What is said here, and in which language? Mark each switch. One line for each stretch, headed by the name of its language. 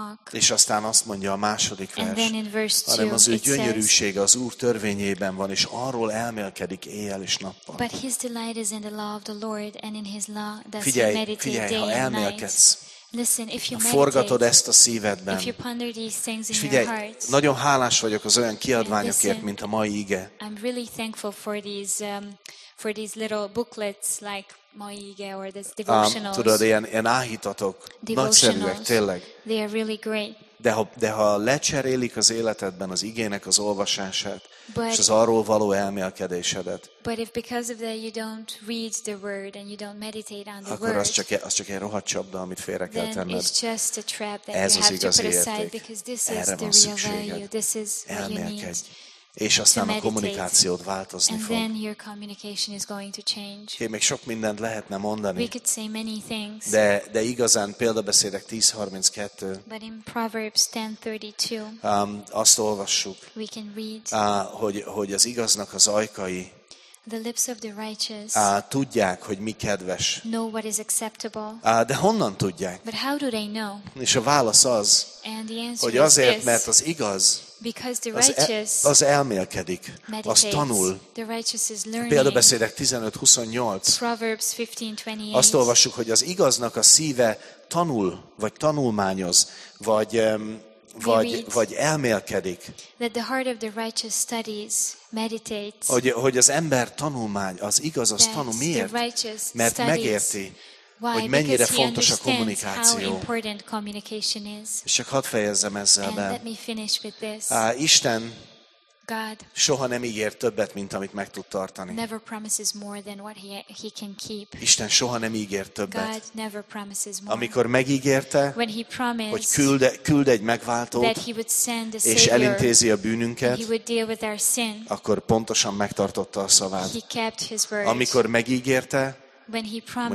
Hungarian: És aztán azt mondja a második vers, hanem az ő gyönyörűsége az Úr törvényében van, és arról elmélkedik éjjel és nappal.
English: But his delight is in the law of the Lord, and in his law does he meditate day and night.
Hungarian: Figyelj, ha elmélkedsz,
English: listen, if you
Hungarian: forgatod ezt a szívedben,
English: if you ponder these things in
Hungarian: figyelj,
English: your heart,
Hungarian: nagyon hálás vagyok az olyan kiadványokért, mint a mai ige.
English: I'm really thankful for these little booklets like mai ige or this devotionals.
Hungarian: Tudod, ilyen áhítatok, nagyszerűek, tényleg.
English: They are really great.
Hungarian: De ha lecserélik az életedben az igének az olvasását, but, és az arról való elmélkedésedet,
English: but if because of that you don't read the word and you don't meditate on the
Hungarian: akkor
English: word,
Hungarian: az csak egy rohadt csapda, amit félre kell tenned.
English: Then it's just a trap that you have to put aside, because this is the real
Hungarian: szükséged.
English: Value. This is
Hungarian: elmélkedj.
English: What you need.
Hungarian: És aztán a kommunikációd változni fog.
English: And then your communication is going to change.
Hungarian: Okay, még sok mindent lehetne mondani.
English: We could say many things.
Hungarian: De igazán példabeszédek 10:32.
English: But in Proverbs 10:32.
Hungarian: Azt olvassuk.
English: We can read.
Hungarian: Hogy az igaznak az ajkai.
English: The lips of the righteous.
Hungarian: Tudják, hogy mi kedves.
English: Know what is acceptable.
Hungarian: De honnan tudják?
English: But how do they know?
Hungarian: És a válasz az.
English: And the answer
Hungarian: hogy azért, mert az igaz.
English: Because the righteous
Hungarian: az elmélkedik, az tanul.
English: The righteous is learning.
Hungarian: Példabeszédek 15:28.
English: Proverbs 15:28.
Hungarian: Azt olvassuk, hogy az igaznak a szíve tanul, vagy tanulmányoz, vagy elmélkedik.
English: That the heart of the righteous studies, meditates.
Hungarian: Hogy az ember tanulmány, az igaz az tanul. Miért? Mert megérti.
English: Why?
Hungarian: Hogy mennyire
English: because
Hungarian: fontos
English: he
Hungarian: a kommunikáció.
English: How important communication is.
Hungarian: És csak hadd fejezzem ezzel be.
English: And let me finish with this.
Hungarian: Isten
English: God
Hungarian: soha nem ígér többet, mint amit meg tud tartani.
English: Never promises more than what he can keep.
Hungarian: Isten soha nem ígér többet.
English: God never promises more.
Hungarian: Amikor megígérte,
English: when he promised,
Hungarian: hogy küld egy megváltót,
English: that he would send a savior,
Hungarian: és elintézi a bűnünket,
English: he would deal with our sin,
Hungarian: akkor pontosan megtartotta a szavát.
English: He kept his word.
Hungarian: Amikor megígérte,
English: when he promised,